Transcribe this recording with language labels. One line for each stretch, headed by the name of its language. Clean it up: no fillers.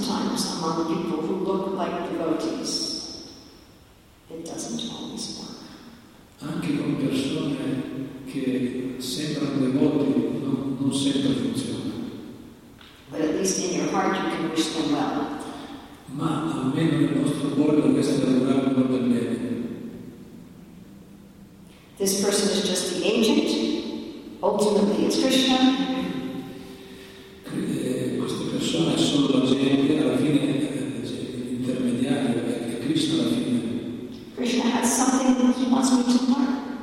English: sometimes among people who look like devotees, it doesn't always work.
Italian: Anche con persone che sembrano devoti, non sempre funziona.
English: But at least in your heart you can wish them well.
Italian: Ma almeno nel nostro cuore dovreste lavorare per bene.
English: This person is just the agent. Ultimately, it's Krishna.
Italian: Queste persone sono la gente, alla fine l'intermediario è Krishna alla fine.
English: Krishna has something that he wants me to learn.